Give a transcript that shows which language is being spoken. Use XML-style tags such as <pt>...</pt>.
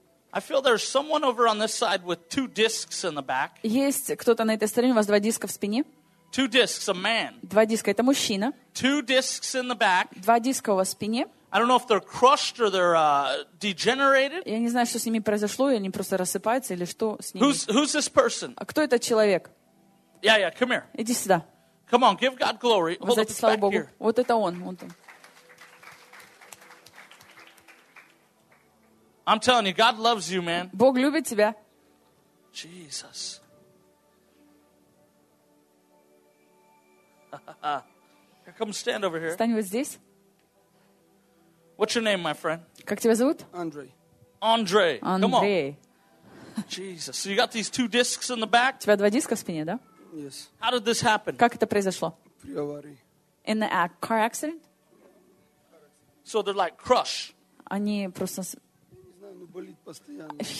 <en>I feel there's someone over on this side with two discs in the back.</en> <ru>Есть кто-то на этой стороне, у вас два диска в спине.</ru> <en>Two discs, a man.</en> <ru>Два диска, это мужчина.</ru> <en>Two discs in the back.</en> <ru>Два диска у вас в спине.</ru> <en>I don't know if they're crushed or they're degenerated.</en> <ru>Я не знаю, что с ними произошло, или они просто рассыпаются, или что с ними.</ru> <en>Who's this person?</en> <ru>А кто этот человек?</ru> <en>Yeah, come here.</en> <ru>Иди сюда.</ru> <en>Come on, give God glory. Hold</en> <ru>Воздайте славу Богу.</ru> <en>Here.</en> <ru>Вот это он, вот он.</ru> <en>I'm telling you, God loves you, man.</en> <ru>Бог любит тебя.</ru> <en>Jesus. Here, come stand over here.</en> <ru>Встань вот здесь.</ru> <en>What's your name, my friend? Как тебя зовут? Andre. Andre. Andre. Jesus. So you got these two discs in the back?</en> <ru>У тебя два диска в спине, да?</ru> <en>Yes. How did this happen?</en> <ru>Как это произошло? При аварии.</ru> <en>In the car accident? So they're like crush.</en> <ru>Они просто... Не знаю, но болит постоянно.</ru>